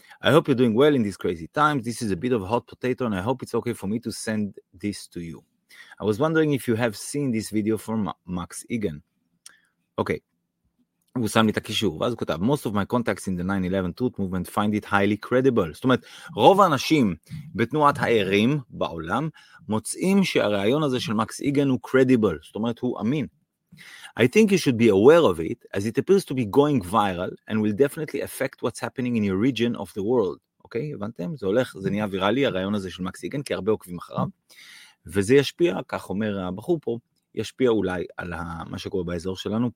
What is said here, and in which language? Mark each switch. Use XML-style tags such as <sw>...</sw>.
<en>I hope you're doing well in these crazy times. This is a bit of a hot potato, and I hope it's okay for me to send this to you. I was wondering if you have seen this video from Max Egan. Okay.</en> <he>הוא שם לי את הקישור, ואז הוא כתב,</he> <en>Most of my contacts in the 9-11 truth movement find it highly credible.</en> <he>זאת אומרת, רוב האנשים בתנועת הערים בעולם, מוצאים שהרעיון הזה של Max Egan הוא credible, זאת אומרת, הוא אמין.</he> <en>I think you should be aware of it, as it appears to be going viral and will definitely affect what's happening in your region of the world.</en> <he>אוקיי, הבנתם? זה הולך, זה נהיה ויראלי, הרעיון הזה של מקס איגן, כי הרבה עוקבים אחריו. וזה ישפיע, כך אומר הבחור פה, ישפיע אולי על מה שקורה באזור שלנו.</he>